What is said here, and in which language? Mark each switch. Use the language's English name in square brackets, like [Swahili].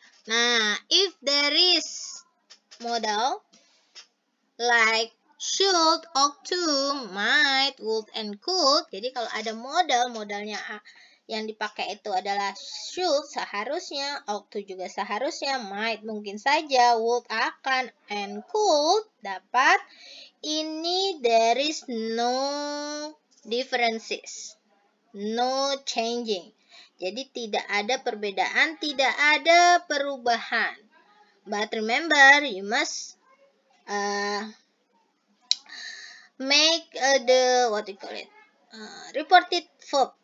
[English] Nah, if there is modal like should, ought to, might, would, and could. [Indonesian] Jadi kalau ada modal, modalnya yang dipakai itu adalah should seharusnya, ought to juga seharusnya, might mungkin saja, would akan, and could dapat. [English] Ini there is no differences, no changing. [Indonesian] Jadi tidak ada perbedaan, tidak ada perubahan. [English] But remember, you must make the what you call it reported verb.